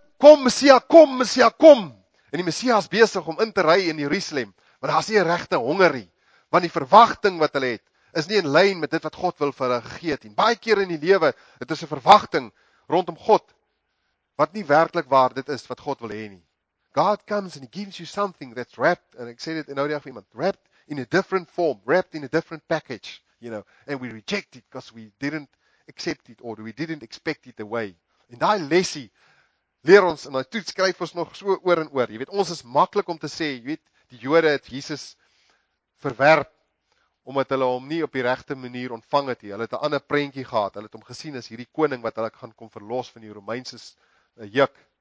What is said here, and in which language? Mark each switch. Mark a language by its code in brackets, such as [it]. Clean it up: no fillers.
[af] Kom Messia, kom Messia, kom." En die Messia is besig om in te ry in Jerusalem, want daar's nie 'n regte honger nie, want die verwagting wat hulle het is nie in lyn met dit wat God wil vir hulle gee nie. Baie kere in die lewe, dit is 'n verwagting rondom God wat nie werklik waar dit is wat God wil hê nie. [en] God comes and he gives you something that's wrapped, and [af] ek sê dit in oudag vir iemand, [en] wrapped in a different form, wrapped in a different package, you know, and we reject it because we didn't accept it or we didn't expect it away. [af] En daai lesie leer ons en daai toets skryf ons nog so oor en oor. Jy weet, ons is maklik om te sê, jy weet, die Jode het Jesus verwerp omdat hulle hom nie op die regte manier ontvang het nie. Hulle het 'n ander prentjie gehad. Hulle het hom gesien as hierdie koning wat hulle gaan kom verlos van die Romeinse juk.